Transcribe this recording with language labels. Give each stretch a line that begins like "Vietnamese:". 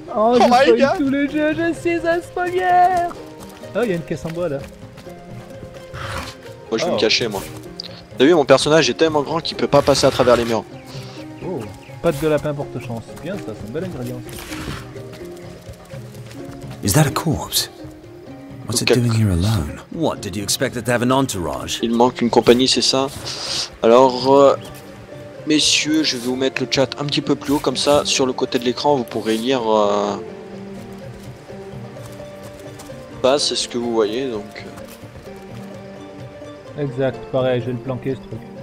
French: Oh, je spoil tout le jeu. Je suis un spoiler. Oh, il y a une caisse en bois là. Moi, je vais me cacher, moi. T'as vu, mon personnage est tellement grand qu'il peut pas passer à travers les murs. Oh, pâte de lapin porte chance. C'est bien ça, c'est un bel ingrédient.
English: Is that a corpse? What's it doing here alone? What did you expect it to have an entourage?
French: Il manque une compagnie, c'est ça? Alors, messieurs, je vais vous mettre le chat un petit peu plus haut, comme ça, sur le côté de l'écran, vous pourrez lire. Bah, c'est ce que vous voyez, donc. Exact, pareil, je vais le planquer ce truc.